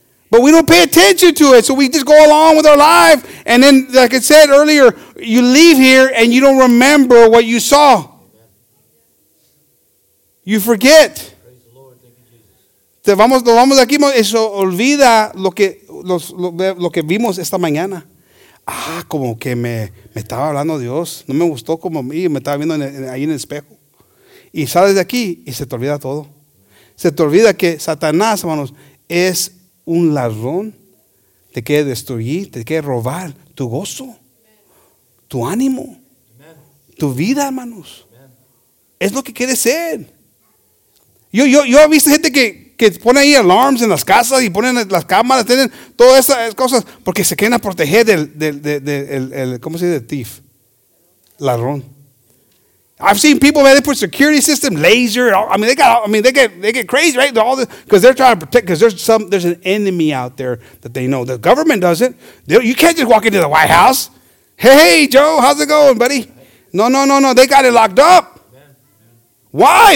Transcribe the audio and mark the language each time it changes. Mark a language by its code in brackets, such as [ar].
[en] But we don't pay attention to it, so we just go along with our life. And then, like I said earlier, you leave here and you don't remember what you saw. You forget. [es] Vamos de aquí, eso olvida lo que vimos esta mañana. Ah, como que me estaba hablando Dios. No me gustó como a mí, me estaba viendo ahí en el espejo. Y sales de aquí y se te olvida todo. Se te olvida que Satanás, hermanos, es un ladrón. Te quiere destruir, te quiere robar tu gozo, tu ánimo, tu vida, hermanos. Es lo que quiere ser. Yo he visto gente que pone ahí alarms en las casas y ponen las cámaras, tienen todas esas cosas porque se quieren proteger del ¿cómo se dice? [en] Thief. Ladrón. I've seen people, man, they put security system, laser, they get crazy, right? Because they're trying to protect, because there's an enemy out there that they know. The government doesn't. You can't just walk into the White House. Hey, Joe, how's it going, buddy? No. They got it locked up. Why?